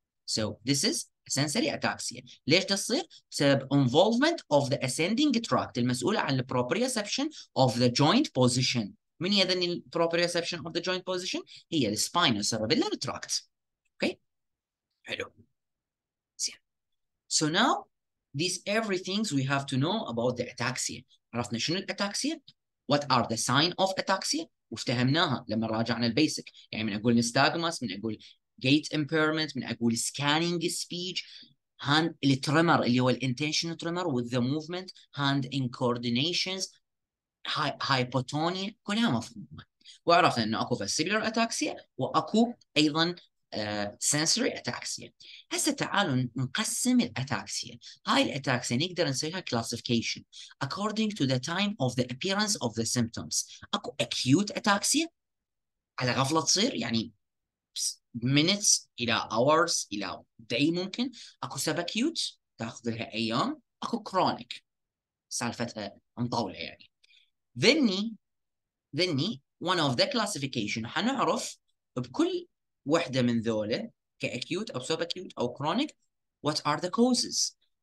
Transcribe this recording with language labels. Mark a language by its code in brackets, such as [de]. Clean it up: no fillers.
[en] So this is sensory ataxia. [ar] ليش تصير؟ بسبب [en] involvement of the ascending tract [ar] المسؤولة عن [en] the proprioception of the joint position. [ar] من هي ذني [en] proprioception of the joint position؟ هي the spinocerebellar tract. Okay؟ حلو. So now, these everything we have to know about the ataxia. [ar] عرفنا شنو الاتاكسيا؟ [en] What are the sign of ataxia؟ [ar] وافتهمناها لما راجعنا البيسك، يعني من اقول نستاغماس، من اقول gait impairment، من اقول scanning speech، hand التريمر اللي هو الانتنشن تريمر with the movement، hand in coordinations، hypotonia، كلها مفهومه. وعرفنا انه اكو vestibular ataxia واكو ايضا sensory ataxia. هسه تعالوا نقسم الاتاكسيا. هاي الاتاكسيا نقدر نسويها [en] classification according to the time of the appearance of the symptoms. [ar] اكو acute ataxia على غفله تصير، يعني minutes الى hours الى day ممكن. اكو subacute تاخذ لها ايام. اكو chronic سالفتها مطوله يعني. ذني one of the classification حنعرف بكل واحدة من ذولة كأكيوت أو سوباكيوت أو كرونيك [en] what are the causes.